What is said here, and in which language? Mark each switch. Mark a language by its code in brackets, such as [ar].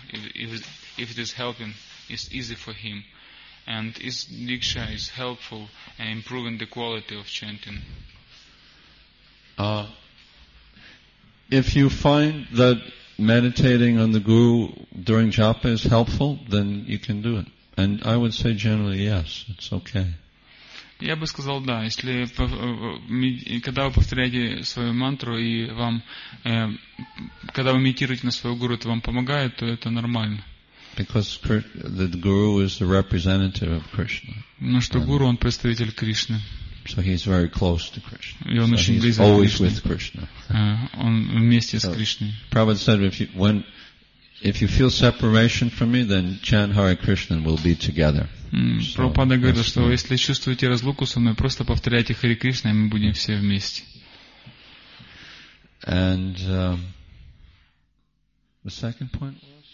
[en] If it is helping, it's easy for him. And is Diksha is helpful in improving the quality of chanting? If you find that meditating on the Guru during japa is helpful, then you can do it. And I would say generally, yes, it's okay. [ru] Я бы сказал, да, если когда вы повторяете свою мантру и вам когда вы медитируете на своего гуру, это вам помогает, то это нормально. [en] Because the guru is the representative of Krishna. [ru] Ну что гуру, он представитель Кришны. [en] So he's very close to Krishna. [ru] И он so очень близок к [en] Кришне. Always with Krishna. [ru] Он вместе so с Кришной. [en] Prabhupada said, if you feel separation from me, then chant Hare Krishna and we'll be together. [ru] Прабхупада говорит, что если чувствуете разлуку со мной, просто повторяйте Хари Кришна, и мы будем все вместе. [en] And the second point was